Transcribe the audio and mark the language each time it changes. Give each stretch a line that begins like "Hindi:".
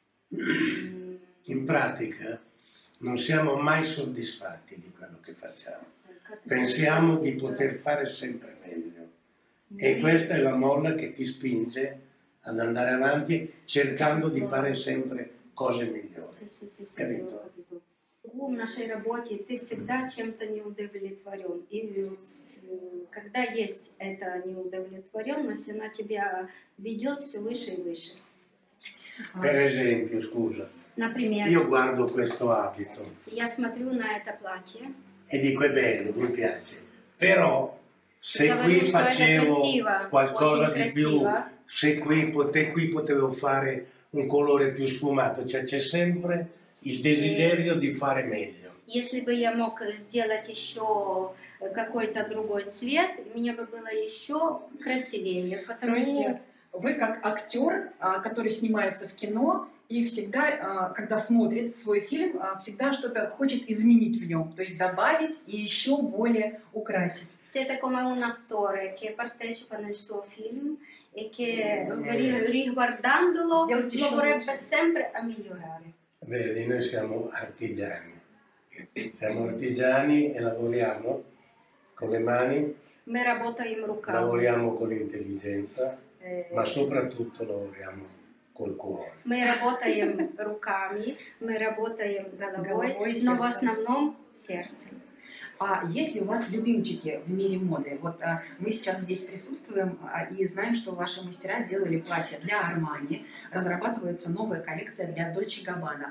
Italian: in pratica non siamo mai soddisfatti di quello che facciamo. Pensiamo di poter fare sempre meglio. E questa è la molla che ti spinge ad andare avanti cercando di fare sempre cose migliori. Capito?
Russian: В нашей работе ты всегда чем-то неудовлетворен. И когда есть эта неудовлетворенность, она тебя ведет все выше и выше.
Italian: Per esempio, scusa.
Russian: Например.
Italian: Io guardo questo abito.
Russian: Я смотрю на это платье.
Italian: E dico è bello, mi piace. Però se qui facevo qualcosa di più, se qui potevo fare un colore più sfumato, cioè c'è sempre il desiderio di fare meglio.
Russian: Если бы я мог сделать еще какой-то другой цвет, мне бы было еще красивее. Потому что вы как актер, который снимается в кино и всегда, когда смотрит свой фильм, всегда что-то хочет изменить в нем, то есть добавить и еще более украсить. Все такое у актера, который
Italian: participano al suo film e che riguardandolo lo vorrebbe sempre a migliorare. Vedi, noi siamo artigiani e lavoriamo con le mani, lavoriamo con l'intelligenza, ma soprattutto lavoriamo col cuore.
Russian: Ми работаем руками, ми работаем головой, но в основном серцем. А есть ли у вас любимчики в мире моды? Вот мы сейчас здесь присутствуем и знаем, что ваши мастера делали платья для Армани, разрабатывается новая коллекция для Dolce & Gabbana.